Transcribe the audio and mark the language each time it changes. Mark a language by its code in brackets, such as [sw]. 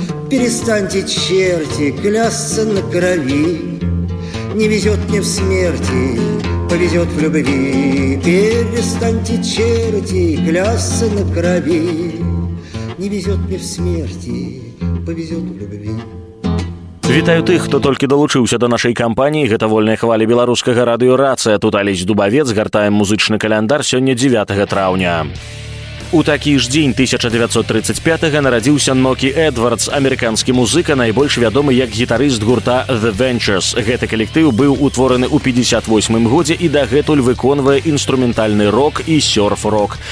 [ru] Перестаньте, черти, клясться на крови. Не везет мне в смерти, повезет в любви. Перестаньте, черти, клясться на крови. Не везет мне в смерти, повезет в любви. [uk] Вітаю тих, хто тільки долучився до нашої кампанії. [be] Гэта вольная хваля беларускага радыё Рацыя. Тут Алесь Дубавец, гартаем музычны календар сёння 9 траўня. У такі ж дзень 1935-го нарадзіўся Нокі Эдвардс, амерыканскі музыка, найбольш вядомы як гітарыст гурта The Ventures. Гэты калектыў быў утвораны ў 58-м годзе і дагэтуль выконвае інструментальны рок і сёрф-рок.